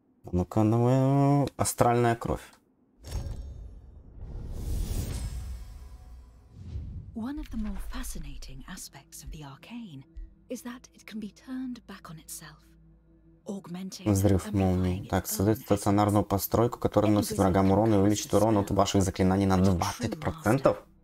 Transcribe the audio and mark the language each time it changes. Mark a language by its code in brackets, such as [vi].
[ru] Ну-ка, новая астральная кровь. [en] One of the more fascinating aspects of the arcane is that it can be turned back on itself. [ru] Взрыв молнии. Так, создает стационарную постройку, которая наносит врагам урон и увеличит урон от ваших заклинаний на 20%.